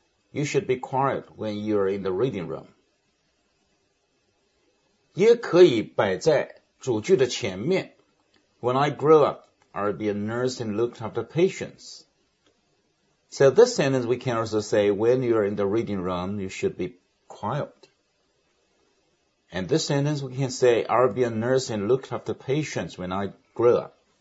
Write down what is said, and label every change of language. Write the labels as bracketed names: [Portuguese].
[English] You should be quiet when you are in the reading room. [Chinese] 也可以摆在主句的前面。 [English] When I grow up, I'll be a nurse and look after patients. So this sentence we can also say, when you are in the reading room, you should be quiet. And this sentence we can say, I'll be a nurse and look after patients when I grow up.